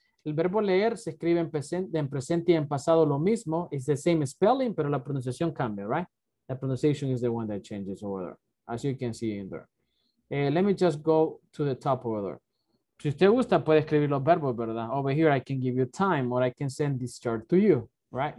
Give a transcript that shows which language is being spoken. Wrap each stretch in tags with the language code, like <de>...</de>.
<es>El verbo leer se escribe en presente y en pasado lo mismo.</es> <en>It's the same spelling,</en> <es>pero la pronunciación cambia,</es> <en>right? The pronunciation is the one that changes over there, as you can see in there. Let me just go to the top over there.</en> <es>Si usted gusta, puede escribir los verbos, ¿verdad?</es> <en>Over here, I can give you time or I can send this chart to you, right?</en>